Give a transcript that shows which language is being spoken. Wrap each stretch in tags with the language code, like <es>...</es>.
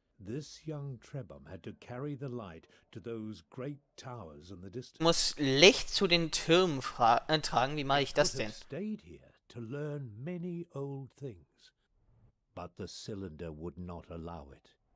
<en>This young Trebum had to carry the light to those great towers in the distance.</en> <de>Muss Licht zu den Türmen tragen, wie mache ich das denn?</de> <en>Stayed here to learn many old things, but the cylinder would not allow it.</en>